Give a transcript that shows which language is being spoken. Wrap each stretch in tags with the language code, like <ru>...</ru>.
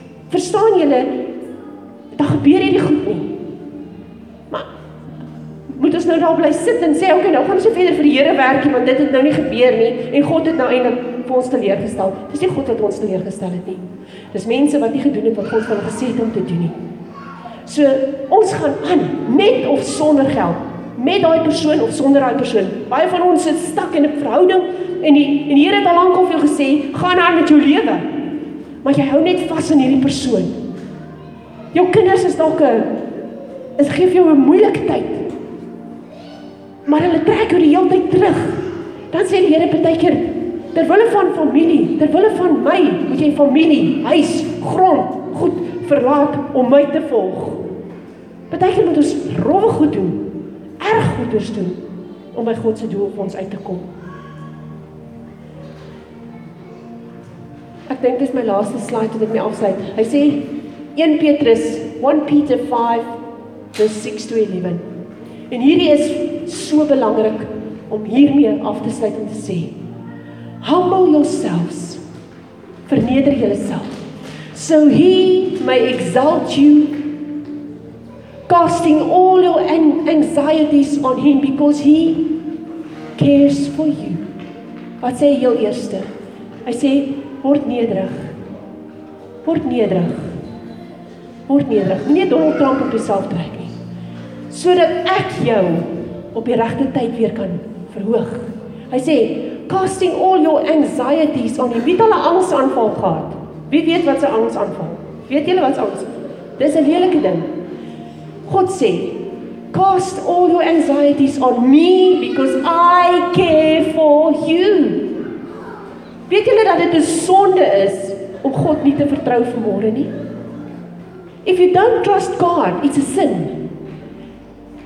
<af>Verstaan julle, daar gebeur hierdie goed nie. Maar, moet ons nou daar bly sit en sê, okay, nou gaan ons so verder vir die Here werk, want dit het nou nie gebeur nie, en God het nou eindelijk vir ons teleurgestel. Dit is nie God wat ons teleurgestel het nie. Dit is mense wat nie gedoen het wat God van hulle gesê het om te doen nie. So, ons gaan aan, met of sonder geld, met daai persoon of sonder daai persoon. Baie van ons sit stak in 'n verhouding, en die Here het al lank al vir jou gesê, gaan aan met jou lewe. Maar jy hou net vas in hierdie persoon. Jou kinders is dalk 'n is geef jou 'n moeilike tyd. Maar hulle trek jou die hele tyd terug. Dan sê die Here partykeer terwille van familie, terwille van my, moet jy familie, huis, grond, goed verlaat om my te volg. Partykeer moet ons rowwe goed doen, erg goeders doen om by God se doel vir ons uit te kom. Ek dink dis my laaste slide wat ek mee afsluit. Hy sê 1 Petrus 1 Peter 5 vers 6 to 11. En hierdie is so belangrik om hiermee af te sluit en te sê:</af> <en>Humble yourselves.</en> <af>Verneder jouself.</af> <en>So he may exalt you, casting all your anxieties on him because he cares for you.</en> <af>Wat sê heel eerste? Hy sê word nederig. Word nederig. Word nederig. Moenie Donald Trump op jouself trek nie. Sodat ek jou op die regte tyd weer kan verhoog. Hy sê,</af> <en>casting all your anxieties on him.</en> <af>Wie het al 'n angsaanval gehad? Wie weet wat 'n angsaanval? Weet julle wat 'n angs? Dis 'n lelike ding. God sê,</af> <en>cast all your anxieties on me because I care for you.</en> <af>Weet julle dat dit 'n sonde is om God nie te vertrou vanmôre nie?</af> <en>If you don't trust God, it's a sin.</en>